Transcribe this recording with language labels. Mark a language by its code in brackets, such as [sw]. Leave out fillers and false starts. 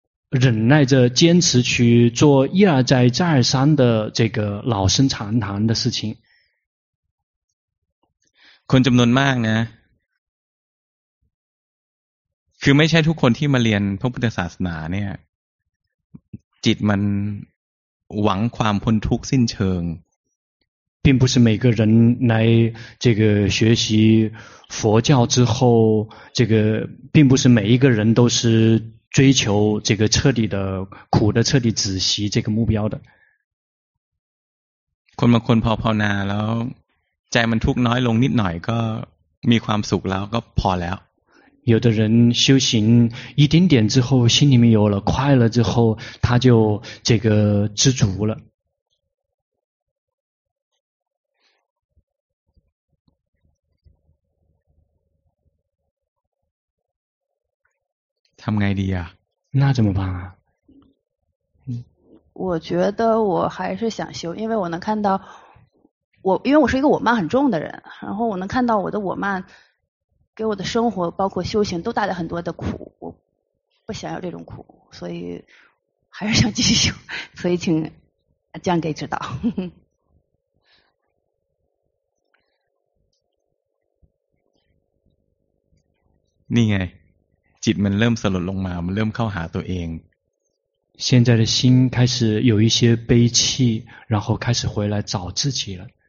[zh] 忍耐着坚持去做一而再再而三的这个老生常谈的事情。 [th] คนจำนวนมากนะคือไม่ใช่ทุกคนที่มาเรียนพระพุทธศาสนาเนี่ยจิตมันหวังความพ้นทุกข์สิ้นเชิง [zh] 并不是每个人来这个学习佛教之后，这个并不是每一个人都是追求这个彻底的苦的彻底止息这个目标的。 [th] คนบางคนพอภาวนาแล้วใจมันทุกข์น้อยลงนิดหน่อยก็มีความสุขแล้วก็พอแล้ว。 [zh] 有的人修行一点点之后，心里面有了快乐之后，他就这个知足了。 [th] ทำไงดีอ่ะ [zh] 那怎么办啊我觉得我还是想修因为我能看到我因为我是一个我慢很重的人然后我能看到我的我慢给我的生活包括修行都带来很多的苦我不想要这种苦所以还是想继续修所以请江给指导 [th] นี่ไงจิตมันเริ่มสลดลงมามันเริ่มเข้าหาตัวเอง [zh] 现在的心开始有一些悲戚然后开始回来找自己了